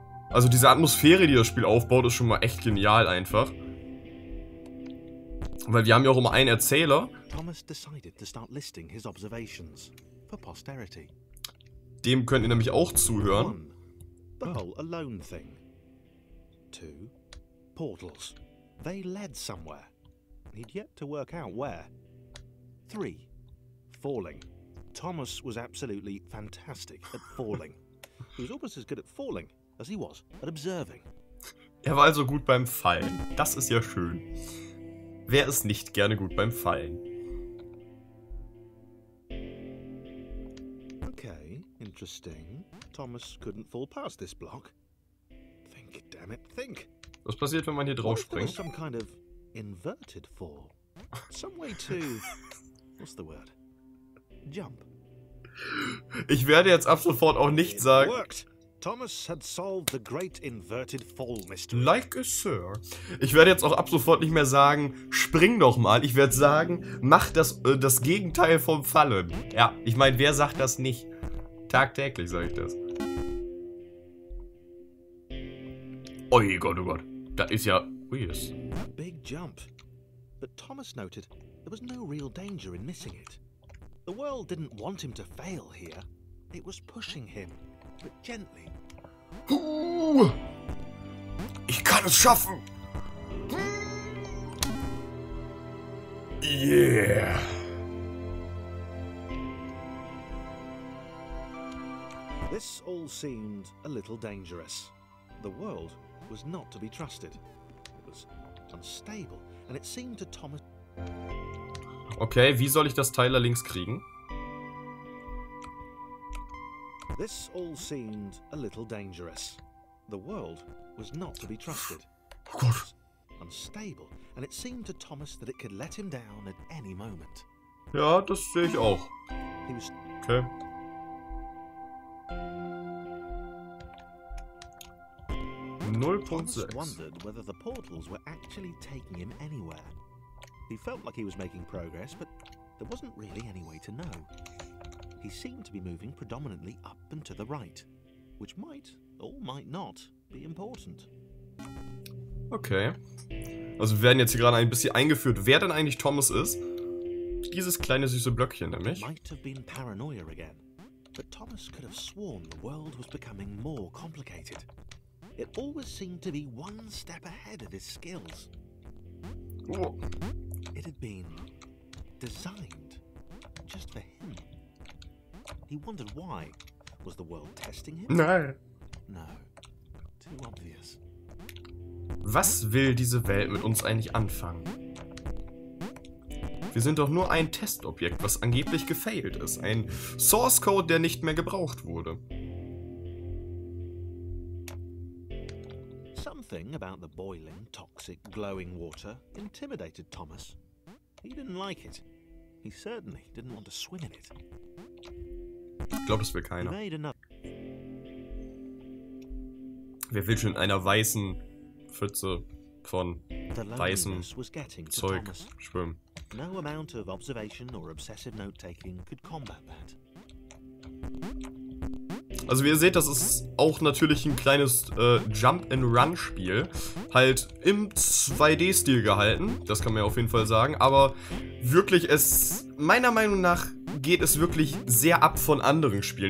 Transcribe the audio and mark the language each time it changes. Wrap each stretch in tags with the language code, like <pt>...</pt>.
<de>Also diese Atmosphäre, die das Spiel aufbaut, ist schon mal echt genial einfach. Weil wir haben ja auch immer einen Erzähler.</de> <en>Thomas decided to start listing his observations for posterity.</en> <de>Dem könnt ihr nämlich auch zuhören.</de> <en>The whole alone thing. Two, portals. They led somewhere. He'd yet to work out where. Three, falling. Thomas was absolutely fantastic at falling. He was almost as good at falling. As he was at observing.</en> <de>Er war also gut beim Fallen. Das ist ja schön. Wer ist nicht gerne gut beim Fallen?</de> <en>Okay, interesting. Thomas couldn't fall past this block. Think, damn it, think.</en> <de>Was passiert, wenn man hier drauf springt?</de> <en>Some kind of inverted fall. Some way to what's the word? Jump.</en> <de>Ich werde jetzt ab sofort auch nicht sagen.</de> <en>Thomas had solved the great inverted fall mystery. Like a sir.</en> <de>Ich werde jetzt auch ab sofort nicht mehr sagen, spring doch mal. Ich werde sagen, mach das Gegenteil vom Fallen. Ja, ich meine, wer sagt das nicht? Tagtäglich sage ich das. Oh Gott, da ist ja... Yes.</de> <en>Big jump. But Thomas noted, there was no real danger in missing it. The world didn't want him to fail here. It was pushing him. But gently.</en> <de>Ich kann es schaffen.</de> <en>Yeah. This all seemed a little dangerous. The world was not to be trusted. It was unstable, and it seemed to Thomas.</en> <de>Okay, wie soll ich das Teil da links kriegen?</de> <en>This all seemed a little dangerous. The world was not to be trusted.</en> <de>Oh Gott.</de> <en>Unstable, and it seemed to Thomas that it could let him down at any moment.</en> <de>Ja, das sehe ich auch.</de> <en>He was... Okay. Thomas wondered whether the portals were actually taking him anywhere. He felt like he was making progress, but there wasn't really any way to know. He seemed to be moving predominantly up and to the right, which might or might not be important. Okay.</en> <de>Also wir werden jetzt hier gerade ein bisschen eingeführt, wer denn eigentlich Thomas ist. Dieses kleine süße Blöckchen nämlich.</de> <en>It might have been paranoia again, but Thomas could have sworn the world was becoming more complicated. It always seemed to be one step ahead of his skills. Oh. It had been designed just for him. He wondered why. Was the world testing him?</en> <de>Nein.</de> <en>No. Too obvious.</en> <de>Was will diese Welt mit uns eigentlich anfangen? Wir sind doch nur ein Testobjekt, was angeblich gefailed ist. Ein Source Code, der nicht mehr gebraucht wurde.</de> <en>Something about the boiling, toxic, glowing water intimidated Thomas. He didn't like it. He certainly didn't want to swim in it.</en> <de>Ich glaube, das will keiner. Wer will schon in einer weißen Pfütze von weißem Zeug schwimmen?</de> <en>No amount of observation or obsessive note-taking could combat that.</en> <de>Also wie ihr seht, das ist auch natürlich ein kleines Jump-and-Run-Spiel. Halt im 2D-Stil gehalten, das kann man ja auf jeden Fall sagen. Aber wirklich, es meiner Meinung nach geht es wirklich sehr ab von anderen Spielen.</de>